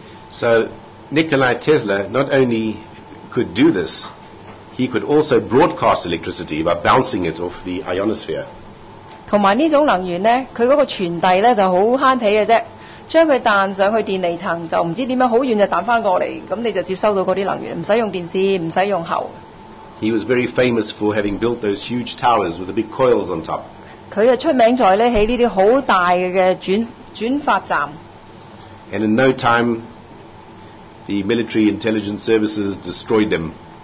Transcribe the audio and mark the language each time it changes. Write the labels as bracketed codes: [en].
[en] So Nikola Tesla not only could do this, he could also broadcast electricity by bouncing it off the ionosphere. [yue] 同埋呢種能源呢,佢個傳遞呢就好慳皮嘅啫,將佢彈上去電離層就唔知點樣好遠就彈返過嚟,你就接收到嗰啲能源,唔使用電視,唔使用喉. [en] He was very famous for having built those huge towers with the big coils on top. [yue] 佢就出名在呢起呢啲好大嘅轉發站. [en] And in no time The military intelligence services destroyed them.